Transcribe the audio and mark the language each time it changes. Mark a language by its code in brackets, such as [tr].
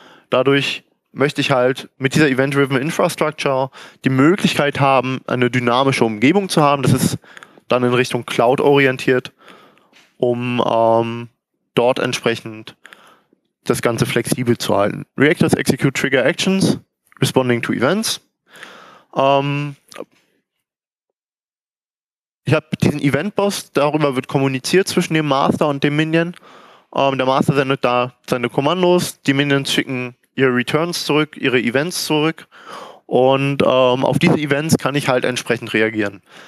[de] Dadurch möchte ich halt mit dieser Event-Driven Infrastructure die Möglichkeit haben, eine dynamische Umgebung zu haben. Das ist dann in Richtung Cloud orientiert, um dort entsprechend das Ganze flexibel zu halten. [en] Reactors execute trigger actions responding to events. [de] Ich habe diesen Event-Boss, darüber wird kommuniziert zwischen dem Master und dem Minion. Der Master sendet da seine Kommandos, die Minions schicken ihre Returns zurück, ihre Events zurück und auf diese Events kann ich halt entsprechend reagieren.